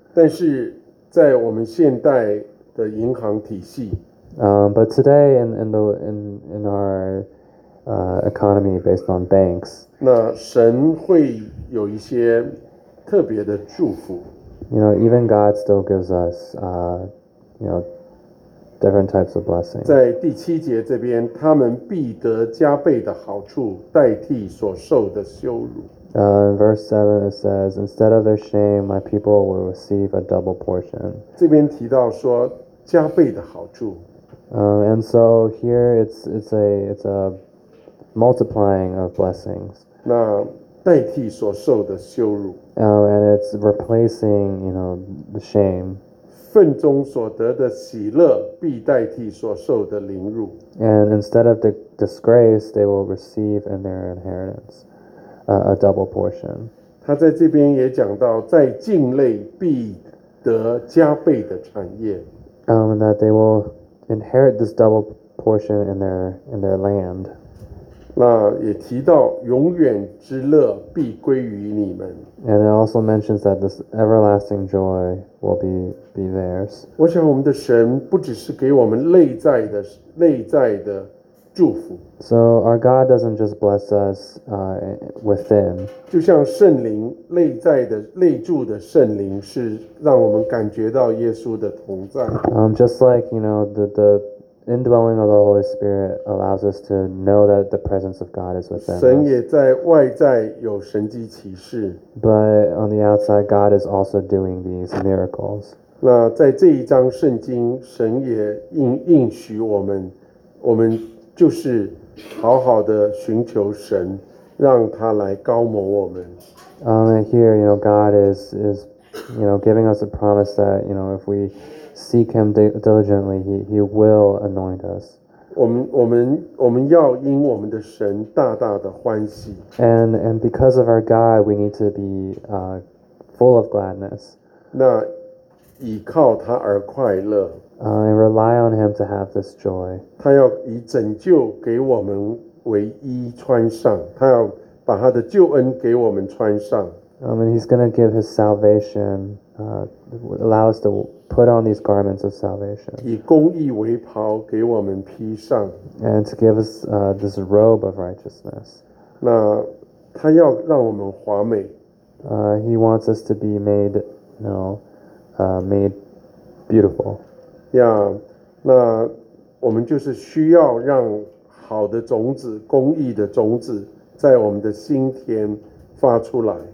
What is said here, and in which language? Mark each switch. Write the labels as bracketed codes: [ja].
[zh] 但是在我们现代的银行体系。 [en] But today in our economy based on banks. [zh] 那神会有一些特别的祝福。 [en] You know, even God still gives us, you know,different types of blessings. [zh] 在第七节这边，他们必得加倍的好处，代替所受的羞辱。 [en] In verse 7 it says, instead of their shame, my people will receive a double portion. [zh] 这边提到说加倍的好处。 [en] And so here it's a multiplying of blessings. [zh] 那代替所受的羞辱。 [en] And it's replacing, you know, the shame. [zh] 愤中所得的喜乐必代替所受的凌辱。 [en] And instead of the disgrace, they will receive in their inheritance, a double portion. [zh] 他在这边也讲到，在境内必得加倍的产业。 [en] That they will inherit this double portion in their land. [zh] 那也提到永远之乐必归于你们。 [en] And it also mentions that this everlasting joy will be theirs. [zh] 我想我们的神不只是给我们内在的祝福。 [en] So our God doesn't just bless us within. [zh] 就像圣灵内在的内住的圣灵是让我们感觉到耶稣的同在。 [en] Just like you know the indwelling of the Holy Spirit allows us to know that the presence of God is within us. [zh] 神也在外在有神迹奇事。 [en] But on the outside, God is also doing these miracles. [zh] 那在这一章圣经，神也应许我们。我们就是好好的寻求神，让他来高摩我们。 [en] Here, you know, God is, you know, giving us a promise that, you know, if we seek Him diligently, He will anoint us. [zh] 我们要因我们的神大大的欢喜。 [en] And because of our God, we need to be full of gladness. [zh] 那倚靠他而快乐。 [en] And rely on Him to have this joy. [zh] 他要以拯救给我们为衣穿上，他要把他的救恩给我们穿上。 [en] And He's going to give His salvation, allow us to put on these garments of salvation. [zh] 以公义为袍给我们披上。 [en] And to give us this robe of righteousness. [zh] 那他要让我们华美。 [en] He wants us to be made, you know, made beautiful. [zh] Yeah, 那我们就是需要让好的种子、公义的种子在我们的心田发出来。